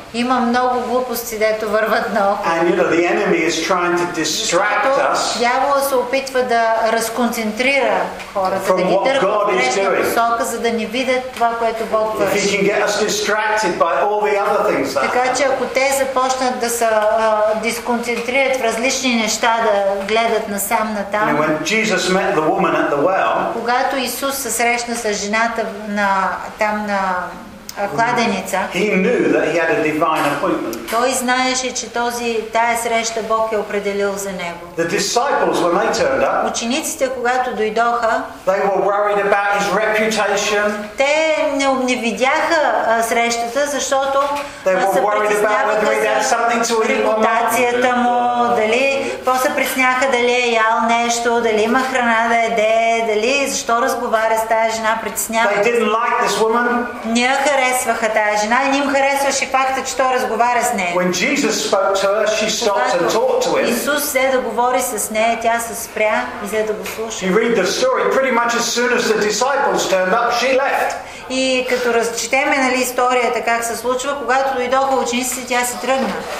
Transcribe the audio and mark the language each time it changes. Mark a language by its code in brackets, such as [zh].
[bg] Има много глупости, дето върват наоколо. [en] And you know, the enemy is trying to distract us. [bg] Дяволът се опитва да разконцентрира хората, [en] from [bg] да ги [en] what God is doing. [bg] Посока, за да не видят това, което Бог върши. [en] If he can get us distracted by all the other things. [bg] Така че ако те започнат да се дисконцентрират в различни неща, да гледат насам натам. [en] When Jesus met the woman at the well. [bg] Когато Исус се срещна с жената на там на кладеница. [en] He knew that he had a divine appointment. [bg] Той знаеше, че този тая среща Бог е определил за него. [en] The disciples, when they turned up, [bg] учениците, когато дойдоха, [en] they were worried about his reputation. [bg] Те не видяха срещата, защото [en] they were worried about whether he had something to eat. [bg] Репутацията му, дали после присняха дали е ял нещо, дали има храна да еде, дали защо разговаря с тази жена, притесняха. [en] They didn't like this woman. [bg] Не я харесваха тази жена и не им харесваше факта, че той разговаря с нея. [en] When Jesus spoke to her, she stopped and talked to him. [bg] Исус взе да говори с нея, тя се спря и взе да го слуша. [en] You read the story, pretty much as soon as the disciples turned up, she left. [bg] И като разчетеме нали, историята как се случва, когато дойдоха учениците, тя се тръгна.